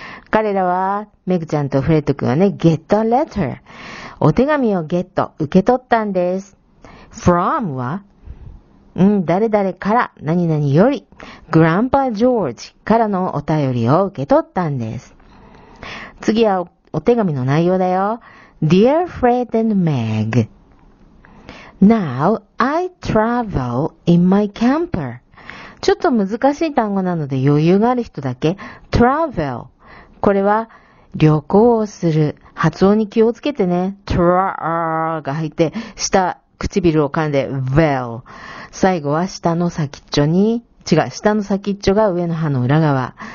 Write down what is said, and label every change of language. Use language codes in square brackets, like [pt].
[ja] 彼らは、メグちゃんとフレッド君はね、 [en] get a letter。 [ja] お手紙をゲット、受け取ったんです。from は誰々から、何々より、グランパジョージからのお便りを受け取ったんです。次は お手紙の内容だよ。 [en] Dear Fred and Meg, Now I travel in my camper. [ja] ちょっと難しい単語なので余裕がある人だけ。 travel。 これは旅行をする。発音に気をつけてね。traa が入って、下、唇を噛んで、well。最後は下の先っちょに、違う、下の先っちょが上の歯の裏側。